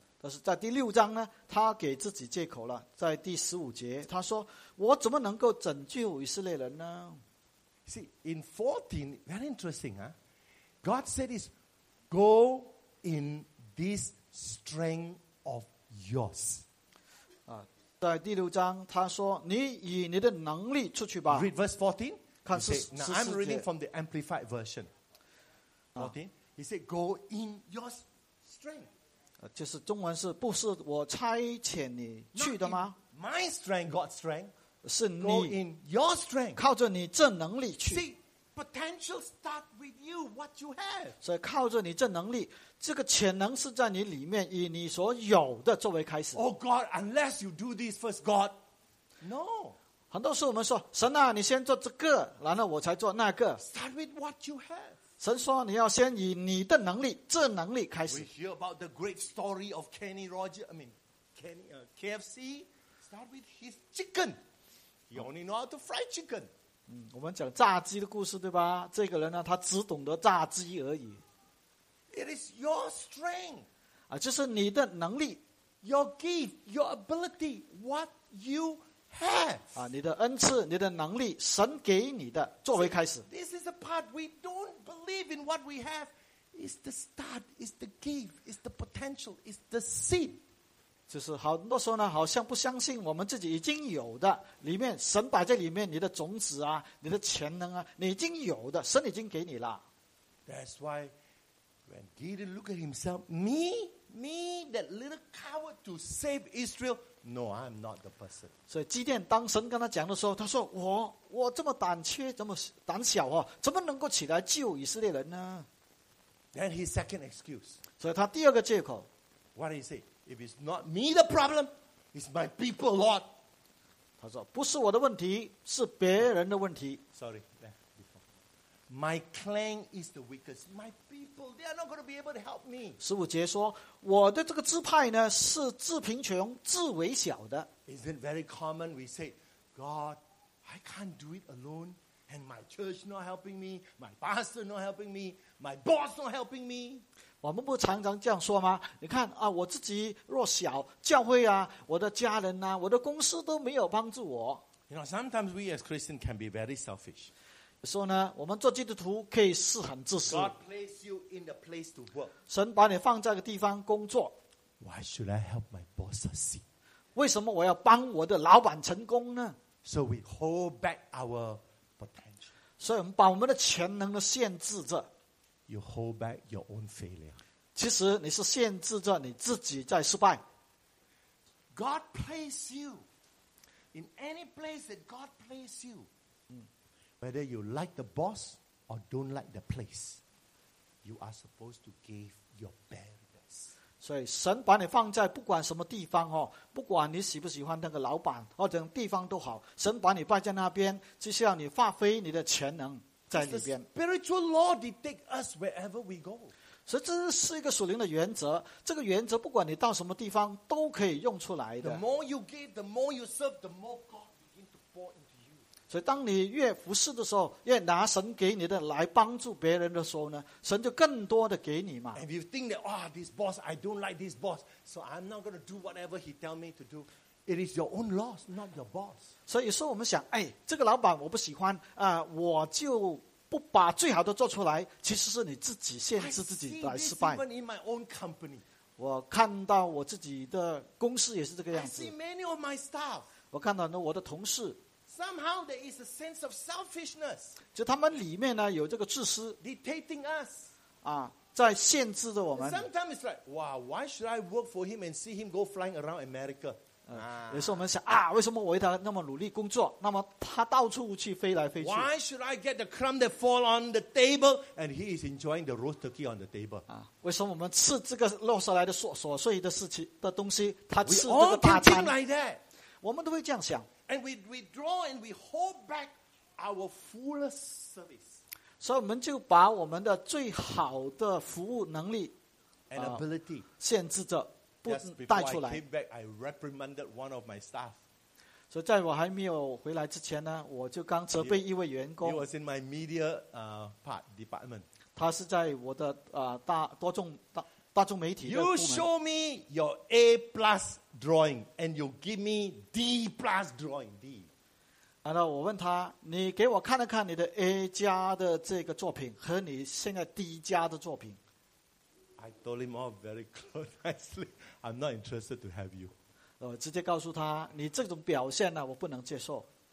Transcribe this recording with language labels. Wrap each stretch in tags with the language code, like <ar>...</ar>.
<zh>但是在第六章呢，他给自己借口了。在第十五节，他说，我怎么能够拯救以色列人呢？</zh> <en>See, in 14, very interesting, huh? God said this, go in this strength of yours.</en> <zh>在第六章他说你以你的能力出去吧。</zh> <en>Read verse 14. He said, now I'm reading from the Amplified Version. 14. He said, go in your strength.</en> <zh>就是中文是不是我差遣你去的吗？</zh> <en>My strength, God's strength.</en> <zh>是你。</zh> <en>Go in your strength.</en> <zh>靠着你这能力去。</zh> <en>See, potential start with you, what you have.</en> <zh>所以靠着你这能力。这个潜能是在你里面，以你所有的作为开始。</zh> <en>Oh God, unless you do this first, God, no.</en> <zh>很多时候我们说，神啊，你先做这个，然后我才做那个。</zh> <en>Start with what you have.</en> <zh>神说，你要先以你的能力，这能力开始。</zh> <en>We hear about the great story of Kenny Rogers. I mean, Kenny, KFC. Start with his chicken. He only know how to fry chicken.</en> <zh>我们讲炸鸡的故事，对吧？这个人呢，他只懂得炸鸡而已。</zh> <en>It is your strength.</en> <zh>就是你的能力。</zh> <en>Your gift, your ability, what you have.</en> <zh>你的恩赐，你的能力，神给你的，作为开始。</zh> <en>See, this is the part we don't believe in what we have. It's the start, it's the gift, it's the potential, it's the seed.</en> <zh>就是很多时候呢，好像不相信我们自己已经有的，里面，神摆在里面，你的种子啊，你的潜能啊，你已经有的，神已经给你了。</zh> <en>That's why... When Gideon looked at himself, me, that little coward to save Israel. No, I'm not the person.</en> <zh>所以基甸当神跟他讲的时候，他说：“我这么胆怯，这么胆小啊，怎么能够起来救以色列人呢？”</zh> <en>Then his second excuse.</en> <zh>所以他第二个借口。</zh> <en>What he said? If it's not me the problem, it's my people, Lord.</en> <zh>他说：“不是我的问题，是别人的问题。”</zh> <en>Sorry. My clan is the weakest. My people, they are not going to be able to help me.</en> <zh>十五节说，我的这个支派呢是自贫穷、自微小的。</zh> <en>Isn't it very common we say, God, I can't do it alone, and my church not helping me, my pastor not helping me, my boss not helping me?</en> <zh>我们不常常这样说吗？你看啊，我自己弱小，教会啊，我的家人啊，我的公司都没有帮助我。</zh> <en>You know, sometimes we as Christians can be very selfish.</en> <zh>说呢，我们做基督徒可以是很自私。</zh> <en>God placed you in the place to work.</en> <zh>神把你放在个地方工作。</zh> <en>Why should I help my boss succeed?</en> <zh>为什么我要帮我的老板成功呢？</zh> <en>So we hold back our potential.</en> <zh>所以我们把我们的潜能的限制着。</zh> <en>you hold back your own failure.</en> <zh>其实你是限制着你自己在失败。</zh> <en>God place you in any place that God place you. Whether you like the boss or don't like the place, you are supposed to give your best.</en> <zh>所以神把你放在不管什么地方，不管你喜不喜欢那个老板或者地方都好，神把你摆在那边，就是要你发挥你的潜能在里边。</zh> <en>Spiritual law dictates us wherever we go.</en> <zh>所以这是一个属灵的原则，这个原则不管你到什么地方都可以用出来的。</zh> <en>The more you give, the more you serve, the more God begins to pour into you.</en> <zh>所以当你越服侍的时候，越拿神给你的来帮助别人的时候呢，神就更多的给你嘛。</zh> <en>If you think that, oh, this boss, I don't like this boss, so I'm not going to do whatever he tells me to do, it is your own loss, not your boss.</en> <zh>所以有时候我们想，哎，这个老板我不喜欢啊，我就。不把最好的做出来，其实是你自己限制自己来失败。</zh> <en>I see this even in my own company.</en> <zh>我看到我自己的公司也是这个样子。</zh> <en>I see many of my staff.</en> <zh>我看到呢我的同事。</zh> <en>Somehow there is a sense of selfishness.</en> <zh>就他们里面呢有这个自私。</zh> <en>Dictating us.</en> <zh>啊，在限制着我们。</zh> <en>Sometimes it's like, wow, why should I work for him and see him go flying around America?</en> <zh>也是我们想啊，为什么我为他那么努力工作，那么他到处去飞来飞去</zh> <en>？Why should I get the crumb that fall on the table and he is enjoying the roast turkey on the table？</en> <zh>啊，为什么我们吃这个落下来的琐碎的事情的东西，他吃这个大餐</zh> <en>？We all can think like that。</en> <zh>我们都会这样想。</zh> <en>And we withdraw and we hold back our fullest service。</en> <zh>所以我们就把我们的最好的服务能力</zh> <en>and ability</en> <zh>限制着。</zh> <en>Just before I came back, I reprimanded one of my staff. So,</en> <zh>在我还没有回来之前呢，我就刚责备一位员工。</zh> <en>He was in my media part department.</en> <zh>他是在我的大众媒体。</zh> <en>You show me your A plus drawing, and you give me D plus drawing. D.</en> <zh>然后我问他，你给我看了看你的 A 加的这个作品和你现在 D 加的作品。</zh> <en>I told him all very closely. I'm not interested to have you.</en> <zh>直接告诉他，你这种表现呢，我不能接受。</zh>